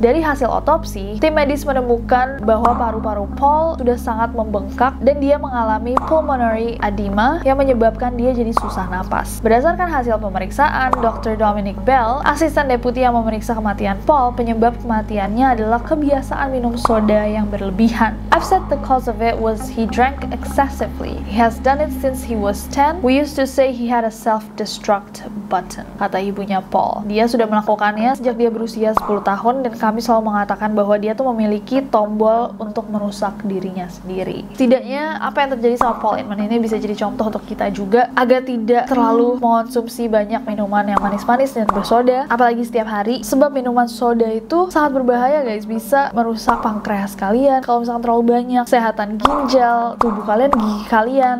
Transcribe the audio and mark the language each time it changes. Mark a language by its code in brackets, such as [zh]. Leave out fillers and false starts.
[id] Dari hasil otopsi, tim medis menemukan bahwa paru-paru Paul sudah sangat membengkak dan dia mengalami pulmonary edema yang menyebabkan dia jadi susah napas. Berdasarkan hasil pemeriksaan, Dr. Dominic Bell, asisten deputi yang memeriksa kematian Paul, penyebab kematiannya adalah kebiasaan minum soda yang berlebihan. [en] I've said the cause of it was he drank excessively. He has done it since he was 10. We used to say he had a self-destruct button, [id] kata ibunya Paul. Dia sudah melakukannya sejak dia berusia 10 tahun dan kami selalu mengatakan bahwa dia tuh memiliki tombol untuk merusak dirinya sendiri. Setidaknya apa yang terjadi sama Paul Inman ini bisa jadi contoh untuk kita juga agar tidak terlalu mengonsumsi banyak minuman yang manis-manis dan bersoda, apalagi setiap hari, sebab minuman soda itu sangat berbahaya guys, bisa merusak pankreas kalian kalau misalkan terlalu banyak, kesehatan ginjal, tubuh kalian, gigi kalian.